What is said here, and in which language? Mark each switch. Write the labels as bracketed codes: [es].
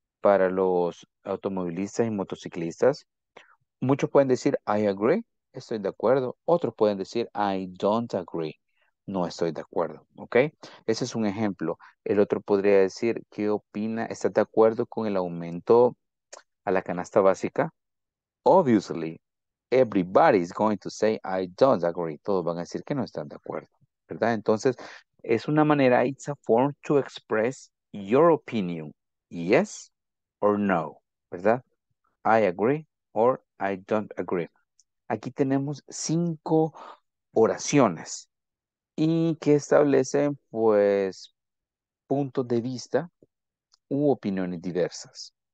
[es] Para los automovilistas y motociclistas, muchos pueden decir [en] I agree. [es] Estoy de acuerdo. Otros pueden decir, [en] I don't agree. [es] No estoy de acuerdo. ¿Ok? Ese es un ejemplo. El otro podría decir, ¿qué opina? ¿Estás de acuerdo con el aumento a la canasta básica? [en] Obviously, everybody is going to say, I don't agree. [es] Todos van a decir que no están de acuerdo. ¿Verdad? Entonces, es una manera, [en] it's a form to express your opinion. Yes or no. ¿Verdad? I agree or I don't agree. [es] Aquí tenemos cinco oraciones y que establecen, pues, puntos de vista u opiniones diversas.